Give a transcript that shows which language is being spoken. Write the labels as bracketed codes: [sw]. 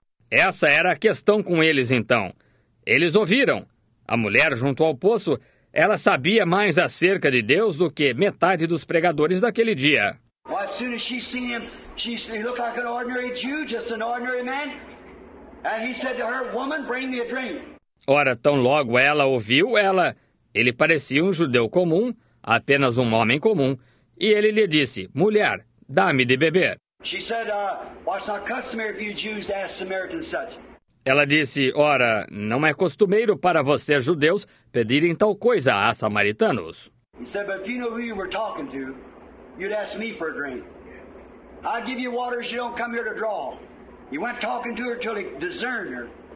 [pt] Essa era a questão com eles, então. Eles ouviram. A mulher junto ao poço, ela sabia mais acerca de Deus do que metade dos pregadores daquele dia. [en] Well, as soon as she seen him, he looked like an ordinary Jew, just an ordinary man. And he said to her, woman, bring me a drink. [pt] Ora, tão logo ela ouviu, ele parecia um judeu comum, apenas um homem comum, e ele lhe disse, mulher, dá-me de beber. [en] She said, well, it's not customary for you Jews to ask Samaritans such. [pt] Ela disse, ora, não é costumeiro para vocês judeus pedirem tal coisa a samaritanos. [en] He said, but if you know who you were talking to, you'd ask me for a drink. I give you water if you don't come here to draw. He went talking to her till he discerned her.